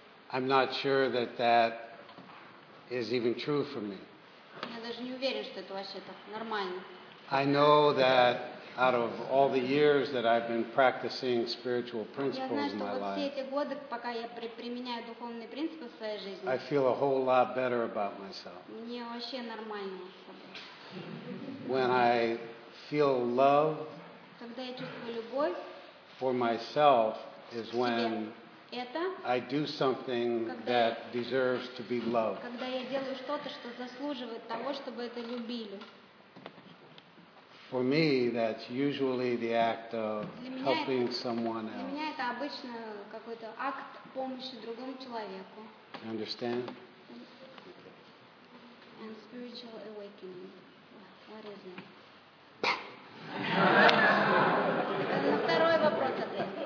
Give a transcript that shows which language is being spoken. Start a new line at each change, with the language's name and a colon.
English: I'm not sure that that is even true for me.
Russian: Я даже не уверен, что это вообще так нормально.
English: I know that out of all the years that I've been practicing spiritual principles in my life,
Russian: все эти годы, пока я применяю духовные принципы в своей жизни,
English: I feel a whole lot better about myself.
Russian: Мне вообще нормально с собой.
English: When I feel love,
Russian: когда я чувствую любовь,
English: for myself is when
Russian: это,
English: I do something that deserves to be loved.
Russian: Когда я делаю что-то, что заслуживает того, чтобы это любили.
English: For me, that's usually the act of helping someone else.
Russian: Для меня это обычно какой-то акт помощи другому человеку.
English: You understand? And spiritual awakening. What is it?
Russian: На второй вопрос ответь.